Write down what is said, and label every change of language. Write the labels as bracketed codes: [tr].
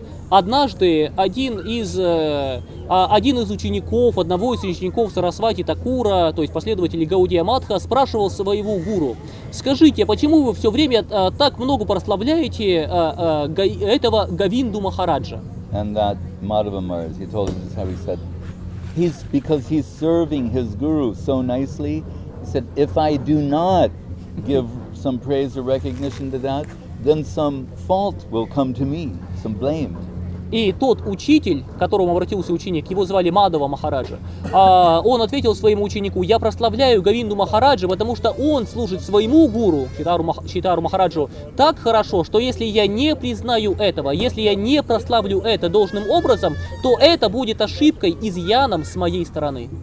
[ru] Однажды один из учеников, одного из учеников Сарасвати Такура, то есть последователей Гаудия Матха, спрашивал своего гуру, скажите, почему вы все время так много прославляете этого Говинду Махараджа? [en] And that Madhava Maharaj, he told him, he said, he's because he's serving his guru so nicely. He said, if I do not give some praise or recognition to that, then some fault will come to me, some blame. [ru] И тот учитель, к которому обратился ученик, его звали Мадхава Махараджа, он ответил своему ученику, я прославляю Говинду Махараджа, потому что он служит своему гуру, Читару Махараджу, так хорошо, что если я не признаю этого, если я не прославлю это должным образом, то это будет ошибкой, изъяном с моей стороны.